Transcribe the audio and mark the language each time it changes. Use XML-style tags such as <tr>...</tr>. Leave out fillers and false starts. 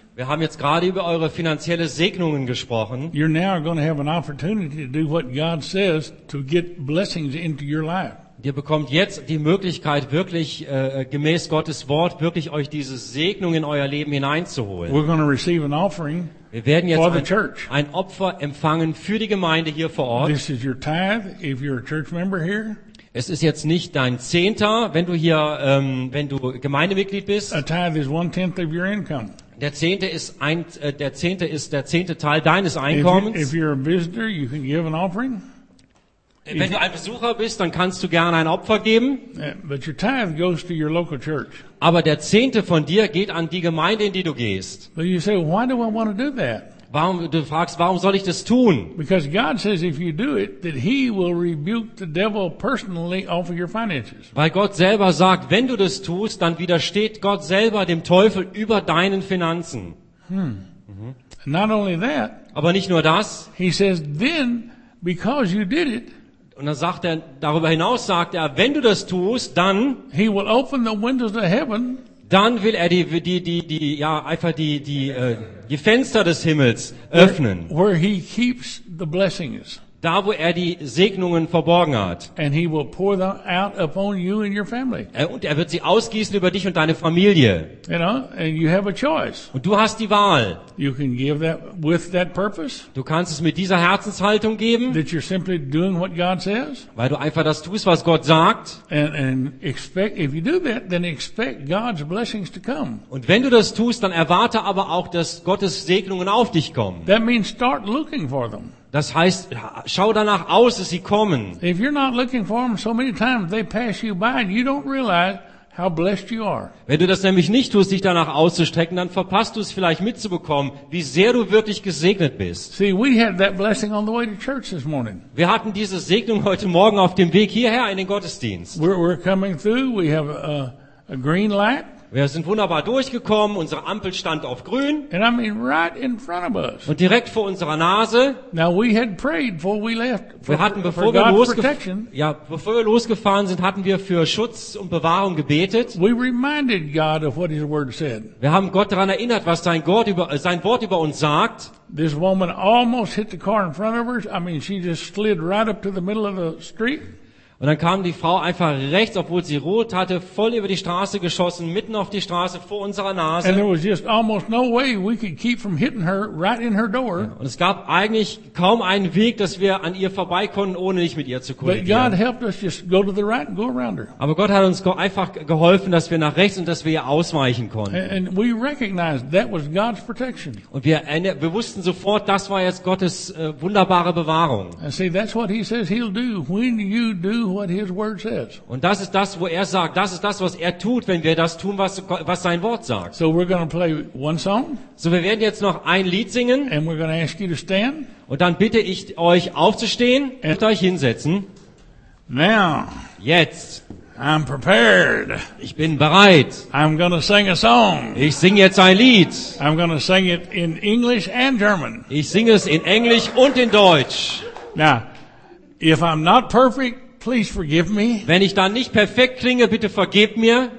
<de>Wir haben jetzt gerade über eure finanzielle Segnungen gesprochen.</de> <en>You're now going to have an opportunity to do what God says to get blessings into your life.</en> <de>Ihr bekommt jetzt die Möglichkeit, wirklich gemäß Gottes Wort, wirklich euch diese Segnung in euer Leben hineinzuholen.</de> <en>We're going to receive an offering.</en> <de>Wir werden jetzt ein Opfer empfangen für die Gemeinde hier vor Ort.</de> <en>This is your tithe if you're a church member here.</en> <de>Es ist jetzt nicht dein Zehnter, wenn du hier, wenn du Gemeindemitglied bist.</de> <en>A tithe is one tenth of your income.</en> <de>Der Zehnte ist der zehnte Teil deines Einkommens.</de> <en>If you're a visitor, you can give an offering.</en> <de>Wenn du ein Besucher bist, dann kannst du gerne ein Opfer geben.</de> <en>But your tithe goes to your local church.</en> <de>Aber der Zehnte von dir geht an die Gemeinde, in die du gehst.</de> <en>But you say, why do I want to do that?</en> <de>Warum, du fragst, warum soll ich das tun?</de> <en>Because God says if you do it, that he will rebuke the devil personally off of your finances.</en> <de>Weil Gott selber sagt, wenn du das tust, dann widersteht Gott selber dem Teufel über deinen Finanzen.</de> <en>Not only that.</en> <de>Aber nicht nur das.</de> <en>He says then, because you did it.</en> <de>Und dann sagt er, darüber hinaus sagt er, wenn du das tust, dann.</de> <en>He will open the windows of heaven.</en> <de>Dann will er die Fenster des Himmels öffnen.</de> <en>Where he keeps the blessings.</en> <de>Da, wo er die Segnungen verborgen hat.</de> <en>And he will pour them out upon you and your family.</en> <de>Und er wird sie ausgießen über dich und deine Familie.</de> <en>You know, and you have a choice.</en> <de>Und du hast die Wahl.</de> <en>You can give that with that purpose.</en> <de>Du kannst es mit dieser Herzenshaltung geben.</de> <en>That you're simply doing what God says.</en> <de>Weil du einfach das tust, was Gott sagt.</de> <en>And expect, if you do that, then expect God's blessings to come.</en> <de>Und wenn du das tust, dann erwarte aber auch, dass Gottes Segnungen auf dich kommen.</de> <en>That means start looking for them.</en> <de>Das heißt, schau danach aus, dass sie kommen.</de> <en>If you're not looking for them so many times, they pass you by and you don't realize how blessed you are.</en> <de>Wenn du das nämlich nicht tust, dich danach auszustrecken, dann verpasst du es vielleicht mitzubekommen, wie sehr du wirklich gesegnet bist.</de> <en>See, we had that blessing on the way to church this morning.</en> <de>Wir hatten diese Segnung heute Morgen auf dem Weg hierher in den Gottesdienst.</de> <en>We're coming through. We have a green light.</en> <de>Wir sind wunderbar durchgekommen. Unsere Ampel stand auf grün.</de> <en>And I mean right in front of us.</en> <de>Und direkt vor unserer Nase.</de> <en>Now we had prayed before we left.</en> <de>Wir hatten, bevor wir losgefahren, hatten wir für Schutz und Bewahrung gebetet.</de> <en>We reminded God of what his word said.</en> <de>Wir haben Gott daran erinnert, was sein Wort über uns sagt.</de> <en>This woman almost hit the car in front of us. I mean, she just slid right up to the middle of the street.</en> <de>Und dann kam die Frau einfach rechts, obwohl sie rot hatte, voll über die Straße geschossen, mitten auf die Straße vor unserer Nase.</de> <en>And there was just almost no way we could keep from hitting her right in her door.</en> <de>Und es gab eigentlich kaum einen Weg, dass wir an ihr vorbei konnten, ohne nicht mit ihr zu kollidieren.</de> <en>But God helped us just go to the right and go around her.</en> <de>Aber Gott hat uns einfach geholfen, dass wir nach rechts und dass wir ihr ausweichen konnten.</de> <en>And we recognized that was God's protection.</en> <de>Und wir wussten sofort, das war jetzt Gottes wunderbare Bewahrung.</de> <en>And see, that's what he says he'll do when you do what his word says.</en> <de>Und das ist das, wo er sagt, das ist das, was er tut, wenn wir das tun, was sein Wort sagt.</de> <en>So we're going to play one song.</en> <de>So wir werden jetzt noch ein Lied singen.</de> <en>And we're going to ask you to stand.</en> <de>Und dann bitte ich euch aufzustehen und euch hinsetzen.</de> <en>Now.</en> <de>Jetzt.</de> <en>I'm prepared.</en> <de>Ich bin bereit.</de> <en>I'm going to sing a song.</en> <de>Ich singe jetzt ein Lied.</de> <en>I'm going to sing it in English and German.</en> <de>Ich singe es in Englisch und in Deutsch.</de> <en>Now, if I'm not perfect, please forgive me.</en> <de>Wenn ich dann nicht perfekt klinge, bitte vergib mir.</de>